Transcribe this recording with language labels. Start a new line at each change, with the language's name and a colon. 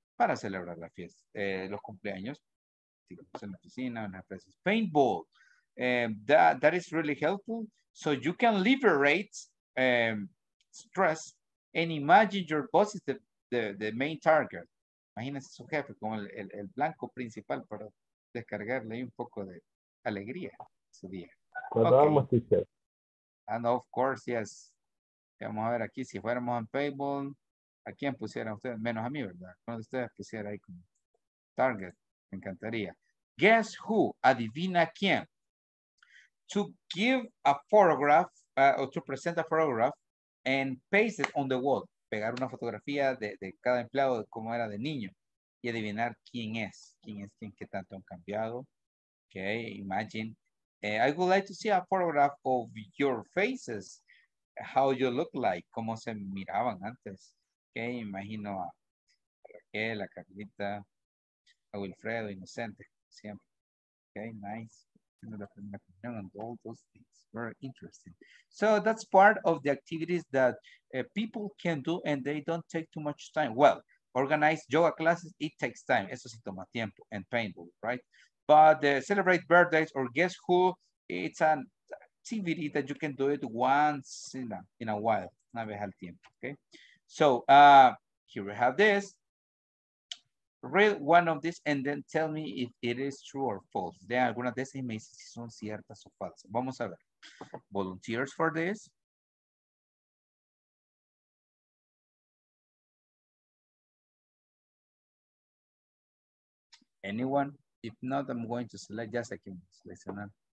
Spanish: Para celebrar la fiesta, los cumpleaños, digamos, en la oficina, en la empresa.
English: Paintball, that is really helpful. So you can liberate, stress and imagine your boss is the main target.
Spanish: Imagínese su jefe como el blanco principal para descargarle un poco de alegría su día. Okay. Vamos, teacher.
English: And of course, yes.
Spanish: Vamos a ver aquí, si fuéramos en Payball, ¿a quién pusieran ustedes? Menos a mí, ¿verdad? ¿Cuál de ustedes pusiera ahí como target? Me encantaría.
English: Guess who,
Spanish: adivina quién.
English: To give a photograph, or to present a photograph, and paste it on the wall.
Spanish: Pegar una fotografía de cada empleado, de cómo era de niño, y adivinar quién es. Quién es, quién, qué tanto han cambiado. Okay,
English: imagine. I would like to see a photograph of your faces. How you look like,
Spanish: cómo se miraban antes. Okay, imagino a Raquel, a Carlita, a Wilfredo, Inocente, siempre. Okay, nice.
English: And all those things, very interesting. So that's part of the activities that people can do and they don't take too much time. Well, organize yoga classes, it takes time.
Spanish: Eso sí toma tiempo
English: and painful, right? But celebrate birthdays or guess who, it's an activity that you can do it once in a while,
Spanish: una vez al tiempo,
English: okay? So here we have this. Read one of these and then tell me if it is true or false.
Spanish: De algunas de esas me dicen si son ciertas o falsas. Vamos a ver.
English: Volunteers for this. Anyone? If not, I'm going to select just
Spanish: a quien seleccionar.